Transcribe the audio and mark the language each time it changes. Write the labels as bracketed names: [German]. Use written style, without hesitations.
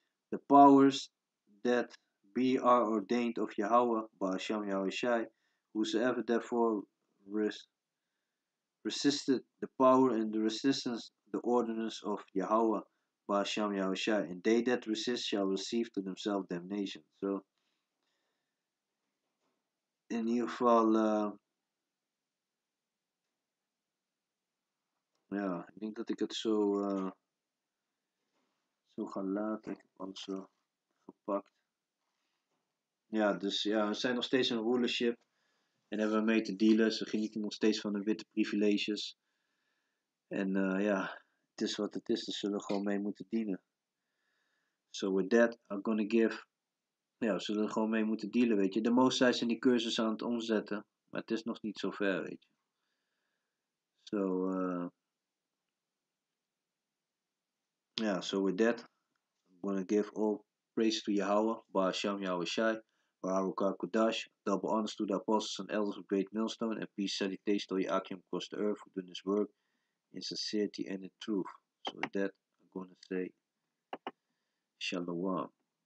[English] The powers that be are ordained of Yahweh, by Hashem Yahweh Shai, whosoever therefore resisted the power and the resistance, the ordinance of Yahweh, by Hashem Yahweh Shai, and they that resist shall receive to themselves damnation. [Dutch] So, in ieder geval, ja, ik denk dat ik het zo ga laten. Ik heb alles zo gepakt. Ja, dus ja, we zijn nog steeds een rulership en hebben we mee te dealen. Ze genieten nog steeds van de witte privileges. En ja, het is wat het is. Ze zullen gewoon mee moeten dienen. [English] So with that, I'm gonna give. [Dutch] Ja, we zullen er gewoon mee moeten dealen, weet je. De Mosai zijn die cursus aan het omzetten. Maar het is nog niet zo ver, weet je. [English] So, so with that, I'm going to give all praise to Yahweh, Baal Hashem Yahweh Shai, Baruch HaKodash, double honors to the apostles and elders of Great Millstone, and peace, salutation to Yahakim across the earth, for doing his work in sincerity and in truth. So with that, I'm going to say, Shalom.